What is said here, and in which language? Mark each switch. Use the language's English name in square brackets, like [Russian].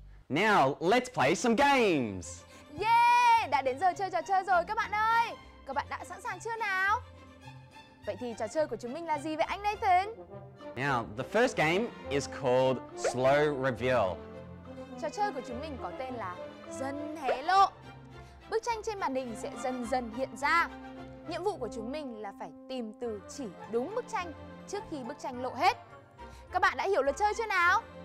[English] Now, let's play some games. Yay! [Vietnamese] Đã đến giờ chơi trò chơi rồi các bạn ơi. Các bạn đã sẵn sàng chưa nào? Vậy thì trò chơi của chúng mình là gì vậy anh Nathan? [English] Now, the first game is called Slow Reveal. [Vietnamese] Trò chơi của chúng mình có tên là Dần Hé Lộ. Bức tranh trên màn hình sẽ dần dần hiện ra. Nhiệm vụ của chúng mình là phải tìm từ chỉ đúng bức tranh trước khi bức tranh lộ hết. Các bạn đã hiểu luật chơi chưa nào?